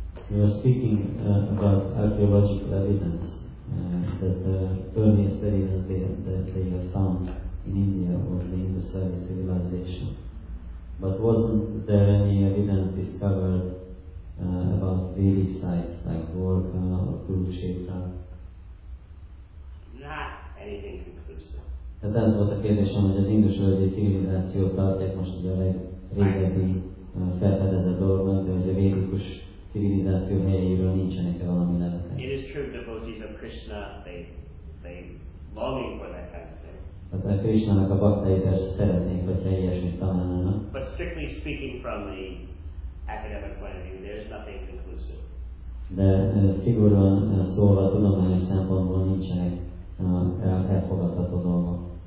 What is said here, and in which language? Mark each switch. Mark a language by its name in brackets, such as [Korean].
[English] You are speaking about archaeological evidence that the earliest evidence that they have found in India was the Indus-Sari civilization. But wasn't there any evidence discovered about Vedic sites like Dwarka or Kurukshetra? Not anything conclusive. [Hungarian] Tehát ez volt a kérdésem, hogy az indus-völgyi civilizációt tartják most ugye a legrégebbi felfedezett dolgok, de hogy a védikus civilizáció helyéről nincsenek -e valami leletek. [English] It is true, devotees of Krishna, they longing for that kind of thing. [Hungarian] Tehát a Krishna-nak a baktai persze szeretnék, hogyha ilyesmit találnának. [English] But strictly speaking from the academic point of view, there's nothing conclusive. [Hungarian] De szigorúan szólva, tudományos szempontból nincsenek elfogadható dolgok.